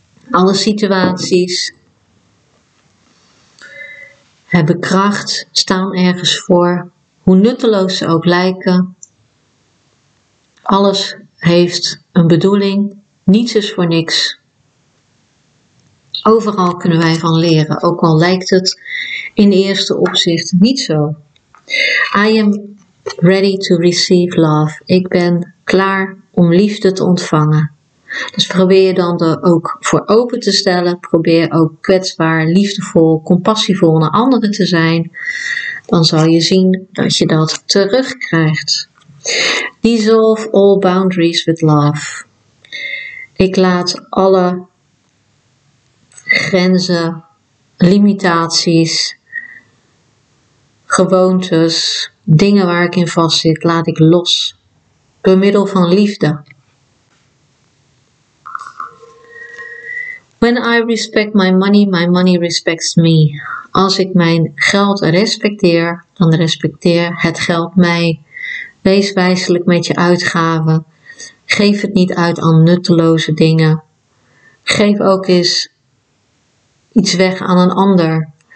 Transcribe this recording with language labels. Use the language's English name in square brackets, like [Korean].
[Dutch] Alle situaties hebben kracht, staan ergens voor, hoe nutteloos ze ook lijken. Alles heeft een bedoeling, niets is voor niks. Overal kunnen wij van leren, ook al lijkt het in eerste opzicht niet zo. [English] I am ready to receive love. [Dutch] Ik ben klaar om liefde te ontvangen. Dus probeer je dan er ook voor open te stellen. Probeer ook kwetsbaar, liefdevol, compassievol naar anderen te zijn. Dan zal je zien dat je dat terugkrijgt. [English] Dissolve all boundaries with love. [Dutch] Ik laat alle grenzen, limitaties, gewoontes, dingen waar ik in vastzit, laat ik los. Door middel van liefde. [English] When I respect my money respects me. [Dutch] Als ik mijn geld respecteer, dan respecteer het geld mij. Wees wijselijk met je uitgaven. Geef het niet uit aan nutteloze dingen. Geef ook eens iets weg aan een ander.